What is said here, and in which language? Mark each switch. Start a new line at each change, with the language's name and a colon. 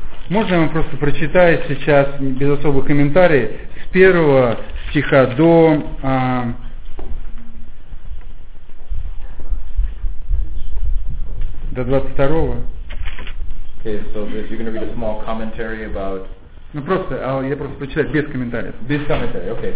Russian: Можно я вам просто прочитаю сейчас, без особых комментариев, с первого стиха до 22-го.
English: Okay, so you're going to read a small commentary about...
Russian: Ну просто, я просто прочитаю без комментариев. Без комментариев, okay.